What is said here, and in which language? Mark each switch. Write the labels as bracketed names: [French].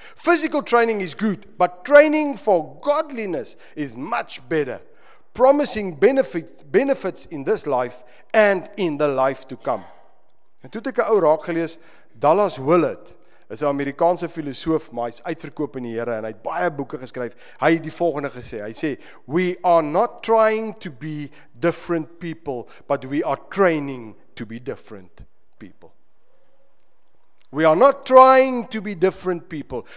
[English] Physical training is good, but training for godliness is much better, promising benefits in this life and in the life to come. [Afrikaans] En toe het ek 'n ou raak gelees, Dallas Willard is 'n Amerikaanse filosoof, maar hy is uitverkoop in die Here en hy het baie boeke geskryf. Hy het die volgende gesê, hy sê, [English] we are not trying to be different people, but we are training to be different people. We are not trying to be different people.